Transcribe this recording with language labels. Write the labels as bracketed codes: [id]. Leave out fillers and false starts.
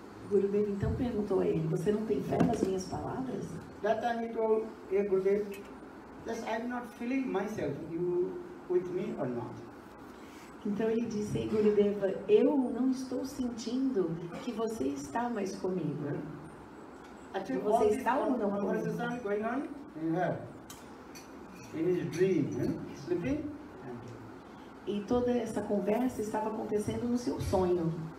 [pt] Gurudev então perguntou a ele, você não tem fé nas minhas palavras? [en] That time he told Gurudev, just I'm not feeling myself, you with me or not. [pt] Então ele disse, Gurudev, eu não estou sentindo que você está mais comigo. [en] Actually, [pt] você está ou não comigo? [en] What is going on in her? In his dream, sleeping? [pt] E toda essa conversa estava acontecendo no seu sonho.